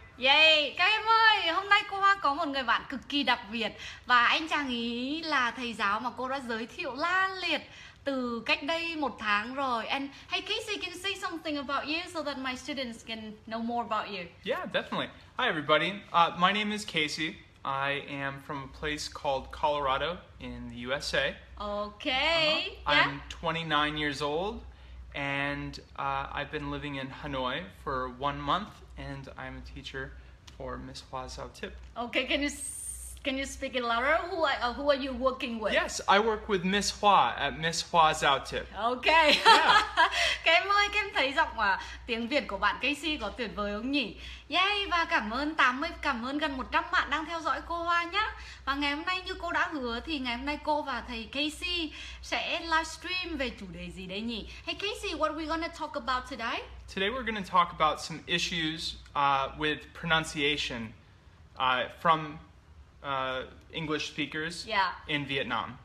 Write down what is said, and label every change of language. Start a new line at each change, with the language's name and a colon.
Vietnamese: Yay, các em ơi, hôm nay cô Hoa có một người bạn cực kỳ đặc biệt. Và anh chàng ý là thầy giáo mà cô đã giới thiệu la liệt từ cách đây một tháng rồi.
English: And hey Kasey, can say something about you so that my students can know more about you. Yeah, definitely. Hi everybody, my name is Kasey. I am from a place called Colorado in the USA. Okay, I'm 29 years old. And I've been living in Hanoi for 1 month, and I'm a teacher for Miss Hoa Giao Tiếp. Okay, can you speak it louder? Who are you working with? Yes, I work with Miss Hoa at Miss Hoa Giao Tiếp. Okay. Yeah.
Vietnamese: Các em ơi, các em thấy giọng và tiếng Việt của bạn Kasey có tuyệt vời không nhỉ? Yay, và cảm ơn gần 100 bạn đang theo dõi cô Hoa nhá. Và ngày hôm nay như cô đã hứa thì ngày hôm nay cô và thầy Kasey sẽ livestream về chủ đề gì đây nhỉ?
English: Hey Kasey, what are we gonna talk about today? Today we're gonna talk about some issues with pronunciation from English speakers in Vietnam.